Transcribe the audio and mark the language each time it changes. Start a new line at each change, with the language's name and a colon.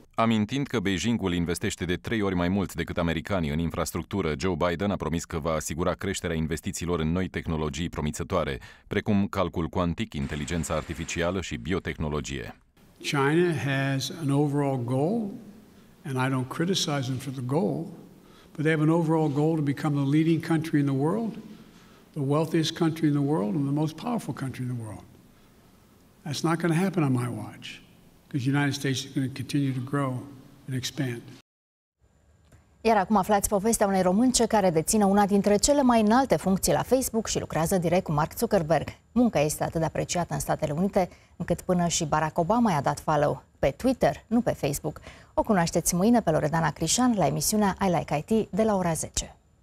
Romanian: Amintind că Beijingul investește de trei ori mai mult decât americanii în infrastructură, Joe Biden a promis că va asigura creșterea investițiilor în noi tehnologii promițătoare, precum calcul cuantic, inteligența artificială și biotehnologie.
English: China has an overall goal, and I don't criticize them for the goal, but they have an overall goal to become the leading country in the world, the wealthiest country in the world, and the most powerful country in the world. That's not going to happen on my watch, because the United States is going to continue to grow and expand.
Romanian: Iar acum aflați povestea unei românce care deține una dintre cele mai înalte funcții la Facebook și lucrează direct cu Mark Zuckerberg. Munca este atât de apreciată în Statele Unite, încât până și Barack Obama i-a dat follow pe Twitter, nu pe Facebook. O cunoașteți mâine pe Loredana Crișan la emisiunea I Like IT de la ora 10.